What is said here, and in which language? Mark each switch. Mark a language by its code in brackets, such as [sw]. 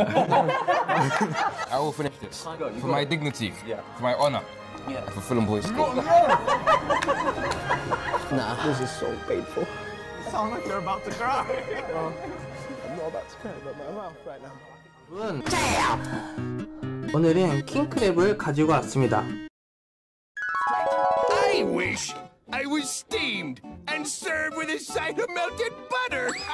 [en] I will finish this. For my dignity. Yeah. For my honor. Yeah. For Fulham Boys. Nah, this is so painful. You sound like you're about to cry. I'm not about to cry, but my mouth right now. [ko] 오늘은 킹크랩을 가지고 왔습니다. [en] I wish I was steamed and served with a side of melted butter.